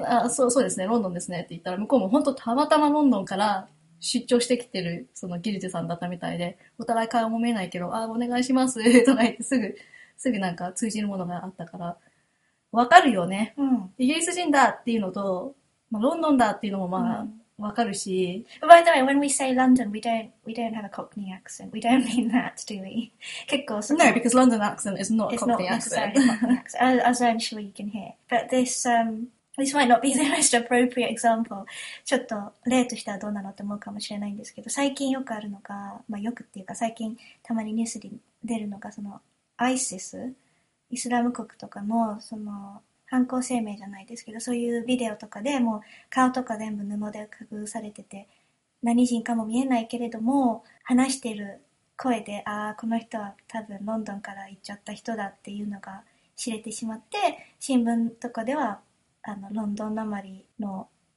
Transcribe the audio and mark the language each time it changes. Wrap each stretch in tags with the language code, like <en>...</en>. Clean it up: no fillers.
<ja>そうですね、ロンドンですねって言ったら、向こうも本当たまたまロンドンから出張してきてる、その技術さんだったみたいで、お互い顔も見えないけど、あ、お願いします、とか言って、すぐなんか通じるものがあったから、わかるよね。うん。イギリス人だっていうのと、まあ、ロンドンだっていうのもまあ、うん、わかるし。</ja> <en>By the way, when we say London, we don't have a Cockney accent. We don't mean that, do we? 結構その。 No, because London accent is not a Cockney accent. It's not necessarily a Cockney accent, as I'm sure you can hear. But this, this might not be the most appropriate example.</en> <ja>ちょっと例としてはどうなのって思うかもしれないんですけど、最近よくあるのが、まあよくっていうか最近たまにニュースに出るのが、その ISIS、イスラム国とかの、その、犯行声明じゃないですけど、そういうビデオとかでもう顔とか全部布で隠されてて、何人かも見えないけれども、話してる声で、ああ、この人は多分ロンドンから行っちゃった人だっていうのが知れてしまって、新聞とかでは、ロンドンなまりの、</ja>